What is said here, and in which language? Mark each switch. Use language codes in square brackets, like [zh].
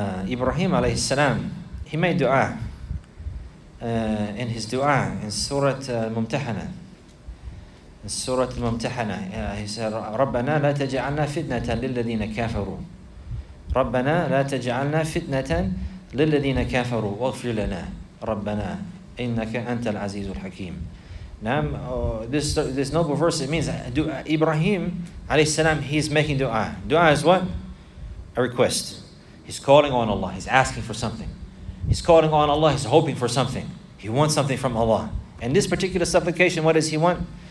[en] Ibrahim alayhi salam, he made dua. In his dua, in Surah Mumtahana. Surah Al-Mumtahana, he said, [ar] رَبَّنَا لَا تَجْعَلْنَا فِتْنَةً لِلَّذِينَ كَافَرُوا رَبَّنَا لَا تَجْعَلْنَا فِتْنَةً لِلَّذِينَ كَافَرُوا وَغْفِرْ لَنَا رَبَّنَا إِنَّكَ أَنْتَ الْعَزِيزُ الْحَكِيمُ. [en] Now, this noble verse, it means Ibrahim alayhi salam, he's making dua. Dua is what? A request. He's calling on Allah. He's asking for something. He's calling on Allah. He's hoping for something. He wants something from Allah. And this particular supplication, what does he want?